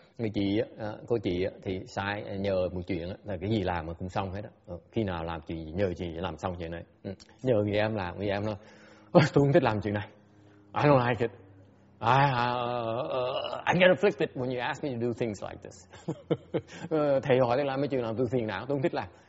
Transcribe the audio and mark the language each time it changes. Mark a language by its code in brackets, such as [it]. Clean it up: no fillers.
[vi] Người chị, cô chị thì sai nhờ một chuyện là cái gì làm mà không xong hết á. Khi nào làm chuyện gì, nhờ chị làm xong chuyện này. Nhờ người em làm, người em nói, tôi không thích làm chuyện này. [en] I don't like it. I get afflicted when you ask me to do things like this. [vi] Thầy hỏi tôi làm mấy chuyện nào, tôi phiền não, tôi không thích làm.